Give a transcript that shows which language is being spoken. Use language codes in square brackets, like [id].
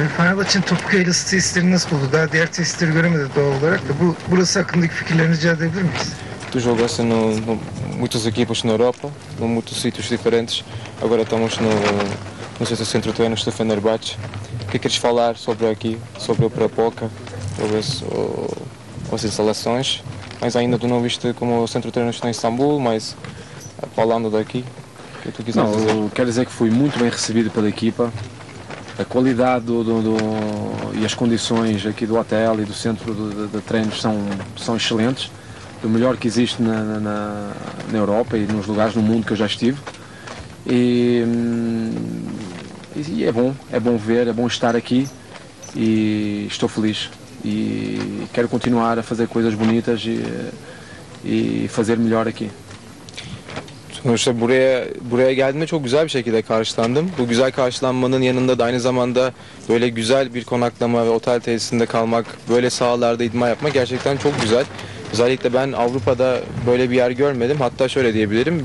[tr] Fenerbahçe'nin topuk yaylası tesisleri nasıl buldu? Daha diğer tesisleri göremedi doğal olarak da. Burası hakkındaki fikirlerini rica edebilir miyiz? [pt] Tu jogaste no muitas equipas na Europa, em muitos sítios diferentes. Agora estamos no centro de treinos do Fenerbahçe. O que queres falar sobre aqui, sobre o Pré-Época, talvez as instalações? Mas ainda tu não viste como o centro de treinos está em Istambul, mas falando daqui, o que tu quiseres dizer? Não, quero dizer que fui muito bem recebido pela equipa. A qualidade e as condições aqui do hotel e do centro de treinos são excelentes. Do melhor que existe na Europa e nos lugares do mundo que eu já estive. E é bom ver, é bom estar aqui e estou feliz. E quero continuar a fazer coisas bonitas e fazer melhor aqui. [tr] Sonuçta buraya geldiğimde çok güzel bir şekilde karşılandım. Bu güzel karşılanmanın yanında da aynı zamanda böyle güzel bir konaklama ve otel tesisinde kalmak, böyle sahalarda idman yapmak gerçekten çok güzel. Özellikle ben Avrupa'da böyle bir yer görmedim. Hatta şöyle diyebilirim.